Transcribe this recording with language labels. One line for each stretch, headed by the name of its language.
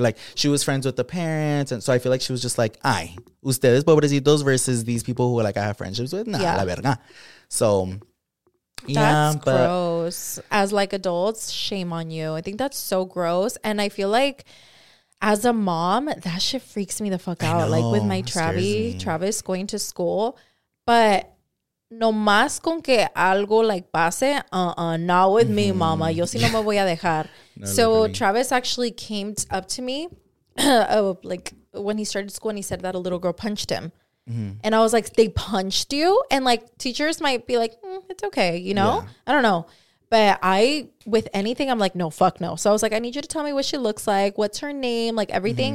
English: Like she was friends with the parents. And so I feel like she was just like,
Spanish: ay, ustedes pobrecitos
English: versus these people who like I have friendships with. Nah, yeah.
Spanish: La verga.
English: So yeah, that's but gross. As like adults, shame on you. I think that's so gross. And I feel like as a mom, that shit freaks me the fuck out. Know, like with my Travis going to school.
Spanish: But no más con que algo like pase,
English: not with me, mama.
Spanish: Yo si no me voy a dejar.
English: So literally. Travis actually came up to me like when he started school and he said that a little girl punched him. Mm-hmm. And I was like, they punched you? And like teachers might be like, it's okay, you know? Yeah. I don't know. But I, with anything, I'm like, no, fuck no. So I was like, I need you to tell me what she looks like. What's her name? Like everything.